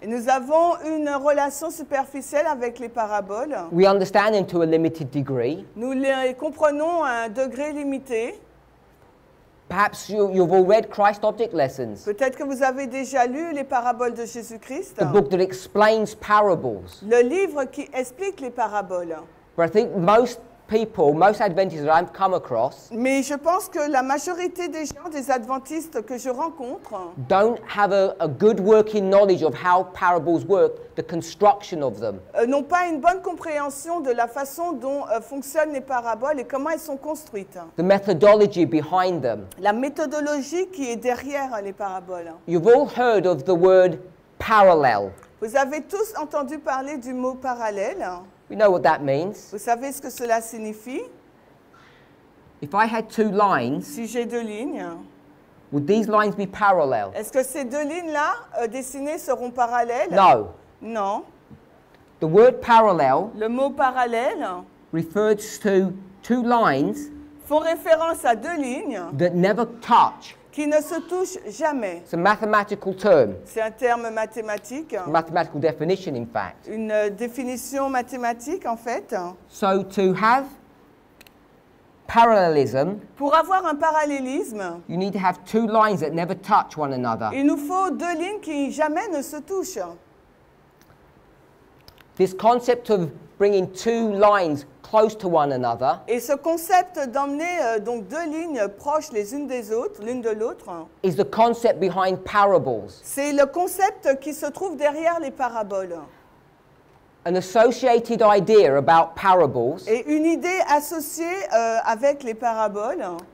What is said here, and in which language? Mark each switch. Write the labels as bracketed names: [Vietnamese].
[French] Et nous avons une relation superficielle avec les paraboles. [English] We understand them to a limited degree. [French] Nous les comprenons à un degré limité. [English] Perhaps you've all read Christ Object Lessons. [French] Peut-être que vous avez déjà lu les paraboles de Jésus-Christ. [English] The book that explains parables. [French] Le livre qui explique les paraboles. [English] But I think most people, most Adventists that I've come across. [French] Mais je pense que la majorité des gens, des Adventistes que je rencontre. [English] Don't have a good working knowledge of how parables work, the construction of them. [French] N'ont pas une bonne compréhension de la façon dont fonctionnent les paraboles et comment elles sont construites. [English] The methodology behind them. [French] La méthodologie qui est derrière les paraboles. [English] You've all heard of the word parallel. [French] Vous avez tous entendu parler du mot parallèle. [English] We know what that means. [French] Vous savez ce que cela signifie? [English] If I had two lines, [French] si j'ai deux lignes, [English] would these lines be parallel? [French] Est-ce que ces deux lignes-là dessinées seront parallèles? [English] No. [French] Non. [English] The word parallel, [French] le mot parallèle, [English] refers to two lines, [French] font référence à deux lignes, [English] that never touch, [French] qui ne se touchent jamais. [English] It's a mathematical term. [French] C'est un terme mathématique. [English] A mathematical definition, in fact. [French] Une définition mathématique, en fait. [English] So to have parallelism. [French] Pour avoir un parallélisme, [English] you need to have two lines that never touch one another. [French] Il nous faut deux lignes qui jamais ne se touchent. [English] This concept of bringing two lines close to one another. [French] Et ce concept d'emmener donc deux lignes proches les unes des autres, l'une de l'autre. [English] Is the concept behind parables. [French] C'est le concept qui se trouve derrière les paraboles. [English] An associated idea about parables. [French] Et une idée associée avec les paraboles.